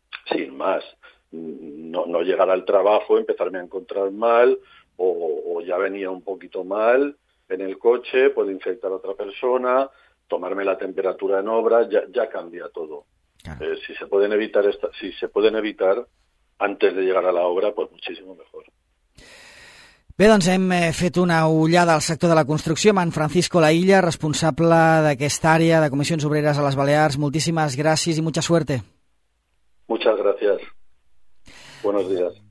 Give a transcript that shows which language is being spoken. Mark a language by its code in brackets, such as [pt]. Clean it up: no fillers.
[es] Sin más, no llegar al trabajo, empezarme a encontrar mal, o ya venía un poquito mal en el coche, puede infectar a otra persona, tomarme la temperatura en obra, ya cambia todo. Claro. Si se pueden evitar antes de llegar a la obra, pues muchísimo mejor. [ca] Bé, doncs hem fet una ullada al sector de la construcció amb en Francisco Lailla, responsable d'aquesta àrea de Comissions Obreres a les Balears. Moltíssimes gràcies i [es] mucha suerte. Muchas gracias. Buenos días.